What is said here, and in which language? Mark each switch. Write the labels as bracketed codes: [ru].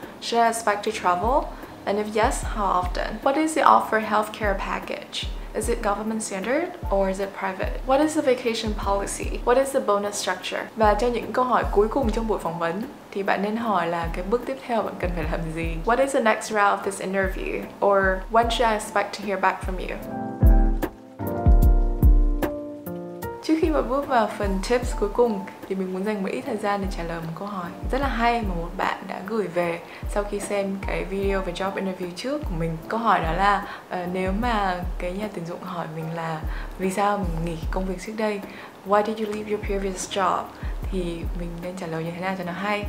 [en] Should I expect to travel? And if yes, how often? What is the offered healthcare package? Is it government standard or is it private? What is the vacation policy? What is the bonus structure? [vi] Và cho những câu hỏi cuối cùng trong buổi phỏng vấn thì bạn nên hỏi là cái bước tiếp theo bạn cần phải làm gì? [en] What is the next round of this interview? Or when should I expect to hear back from you? [vi] Trước khi mà bước vào phần tips cuối cùng thì mình muốn dành một ít thời gian để trả lời một câu hỏi rất là hay mà một bạn đã gửi về sau khi xem cái video về job interview trước của mình. Câu hỏi đó là nếu mà cái nhà tuyển dụng hỏi mình là vì sao mình nghỉ công việc trước đây, [en] why did you leave your previous job, [vi] thì mình nên trả lời như thế nào cho nó hay.